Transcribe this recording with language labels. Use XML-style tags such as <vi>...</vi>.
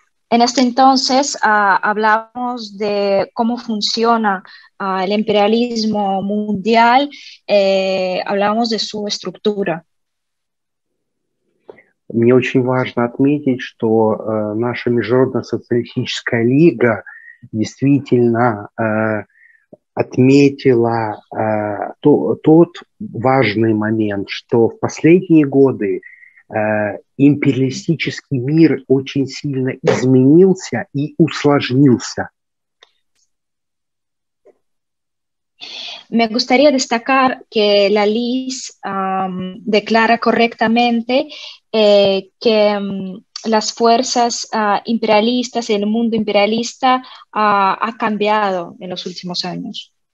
<es>En este entonces hablamos de cómo funciona el imperialismo mundial, hablamos de su estructura.</es> <ru>Мне очень важно отметить, что наша международная социалистическая лига действительно отметила тот важный момент, что в последние годы империалистический мир очень сильно изменился и усложнился.</ru> <es>Me gustaría destacar que la Liz declara correctamente que las fuerzas imperialistas, el mundo imperialista ha cambiado en los últimos años.</es>